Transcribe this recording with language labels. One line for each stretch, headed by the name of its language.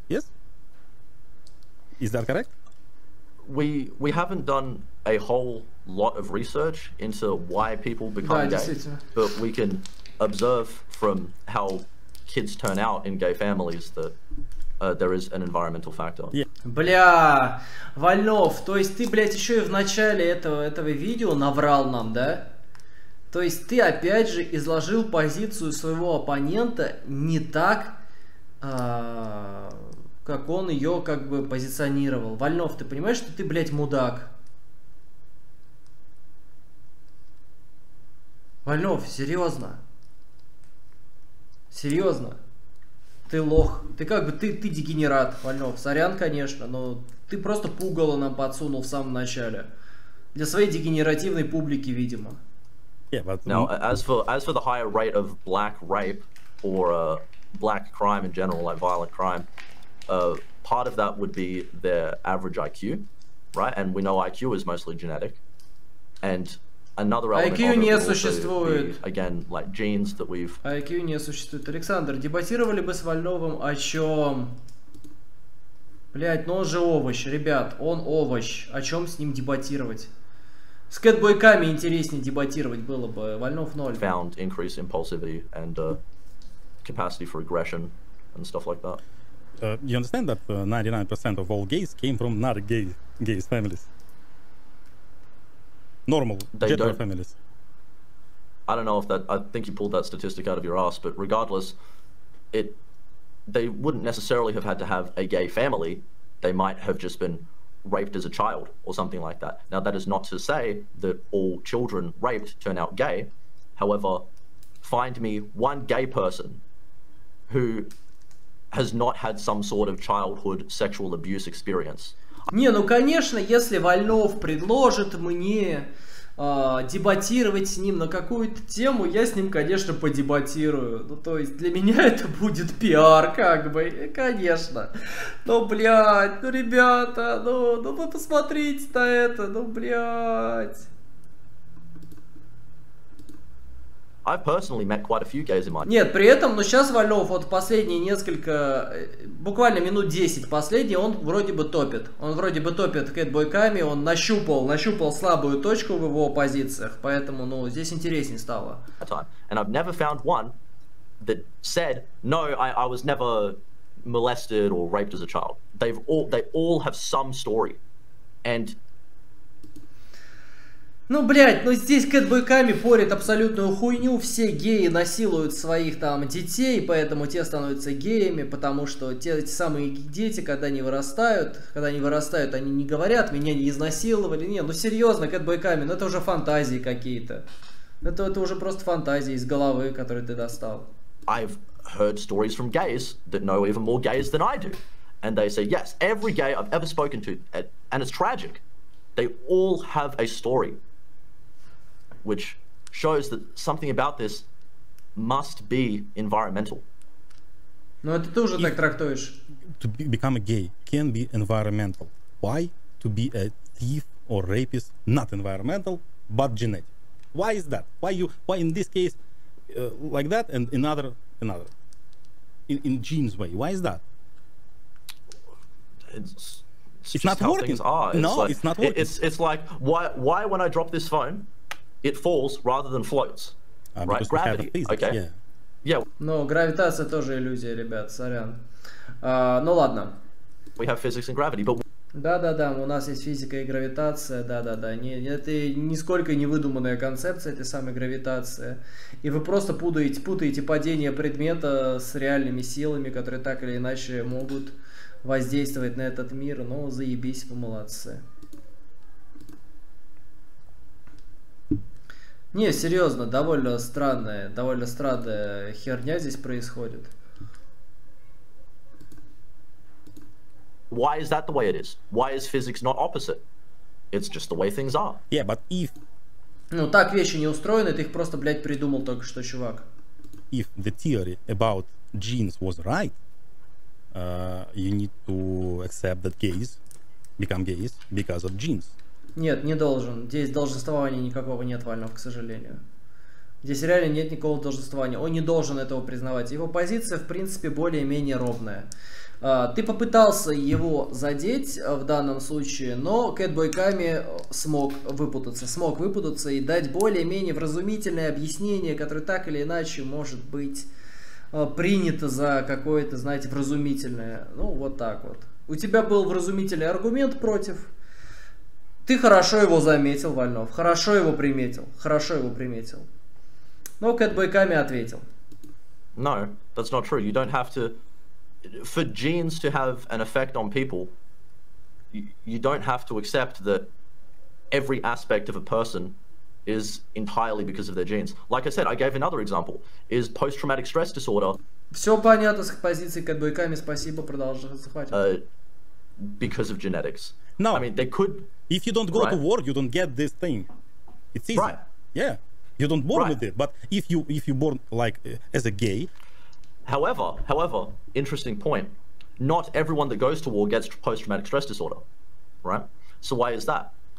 English: Yes? Is that correct? We haven't done a whole lot of research into why people become gay, but we can observe from how kids turn out in gay families that there is an environmental factor. Yeah.
Russian: Бля, Вальнов, то есть ты, блядь, еще и в начале этого видео наврал нам, да? То есть ты опять же изложил позицию своего оппонента не так, как он ее как бы позиционировал. Вальнов, ты понимаешь, что ты, блядь, мудак? Вальнов, серьезно? Серьезно? Ты лох. Ты как бы, ты дегенерат, Вальнов. Сорян, конечно, но ты просто пугало нам подсунул в самом начале. Для своей дегенеративной публики, видимо.
English: Yeah, but... Now, as for the higher rate of black rape or black crime in general, like violent crime, part of that would be their average IQ, right? And we know IQ is mostly genetic. And another
Russian: IQ не существует.
English: Be, again, like genes that we've...
Russian: IQ не существует. Александр, дебатировали бы с Вальновым о чем? Блять, ну он же овощ, ребят, он овощ. О чем с ним дебатировать? С кэтбойками интереснее дебатировать было бы. Вальнов ноль.
English: Found increased impulsivity and capacity for aggression and stuff like that. You understand that 99% of all gays came from not gay families. Normal gender families. I don't know if that. I think you pulled that statistic out of your ass, but regardless, they wouldn't necessarily have had to have a gay family. They might have just been raped as a child or something like that. Now that is not to say that all children raped turn out gay. However, find me one gay person who has not had some sort of childhood sexual abuse experience.
Russian: Не, ну конечно, если Вальнов предложит мне дебатировать с ним на какую-то тему, я с ним, конечно, подебатирую. Ну, то есть, для меня это будет пиар, как бы, конечно. Но, блядь, ну, ребята, ну вы посмотрите на это, ну, блядь.
English: I've personally met quite a few guys in my...
Russian: Нет, при этом, ну, сейчас Вальнов, вот последние несколько, буквально минут 10 последний, он вроде бы топит. Он вроде бы топит кэтбойками, он нащупал слабую точку в его позициях, поэтому, ну, здесь интереснее стало.
English: And I've never found one that said, no, I was never molested or raped as a child. They all have some story. And...
Russian: Ну, блядь, ну здесь кэтбойками порят абсолютную хуйню, все геи насилуют своих там детей, поэтому те становятся геями, потому что эти самые дети, когда они вырастают, они не говорят, меня не изнасиловали, не, ну серьезно, кэтбойками, ну это уже фантазии какие-то, это уже просто фантазии из головы, которые ты достал.
English: I've heard stories from gays that know even more gays than I do, and they say, yes, every gay I've ever spoken to, and it's tragic. They all have a story, which shows that something about this must be environmental.
Russian: Но это ты уже так трактуешь.
English: To become a gay can be environmental. Why to be a thief or rapist not environmental, but genetic? Why is that? Why in this case like that and another? In genes way. Why is that? It's not working. It's like why when I drop this phone, it falls rather than floats. Right? Gravity. Okay. Yeah.
Russian: Но гравитация тоже иллюзия, ребят. Сорян. Ну ладно.
English: We have physics and gravity, but.
Russian: Да. У нас есть физика и гравитация. Да. Не, это нисколько не выдуманная концепция этой самой гравитации. И вы просто путаете падение предмета с реальными силами, которые так или иначе могут воздействовать на этот мир, но заебись, вы молодцы. Не, серьезно, довольно странная херня здесь происходит.
English: Why is that the way it is? Why is physics not opposite? It's just the way things are. Yeah, but if
Russian: Ну, так вещи не устроены, ты их просто, блядь, придумал только что, чувак.
English: If the theory about genes was right, you need to accept that gays become gays because of genes.
Russian: Нет, не должен. Здесь долженствования никакого нет, Вальнов, к сожалению. Здесь реально нет никакого долженствования. Он не должен этого признавать. Его позиция, в принципе, более-менее ровная. Ты попытался его задеть в данном случае, но Кэтбой Ками смог выпутаться и дать более-менее вразумительное объяснение, которое так или иначе может быть принято за какое-то, знаете, вразумительное. Ну, вот так вот. У тебя был вразумительный аргумент против. Ты хорошо его заметил, Вальнов. Хорошо его приметил. Но Кэтбой Ками ответил.
English: No, that's not true. You don't have to... For genes to have an effect on people, you don't have to accept that every aspect of a person is entirely because of their genes. Like I said, I gave another example. Is post-traumatic stress disorder...
Russian: Все понятно с позиции Кэтбой Ками. Спасибо, продолжай.
English: Because of genetics. No. I mean, they could... If you don't go to war, you don't get this thing. It's easy. Right. Yeah. You don't born with it. But if you born, like, as a gay... However, interesting point. Not everyone that goes to war gets post-traumatic stress disorder. Right? So why is that?